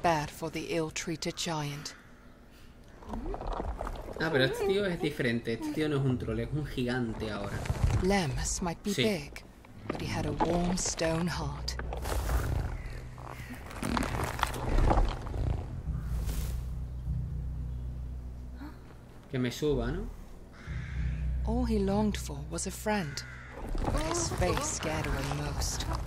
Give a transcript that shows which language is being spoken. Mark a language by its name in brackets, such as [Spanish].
[English] Bad for the ill-treated giant. [Spanish] Ah, pero este tío es diferente. Este tío no es un troll, es un gigante ahora. [English] Lemus might be big. [Spanish] Sí. [English] But he had a warm stone heart. [Spanish] Que me suba, ¿no? [English] All he longed for was a friend. But his face scared away most.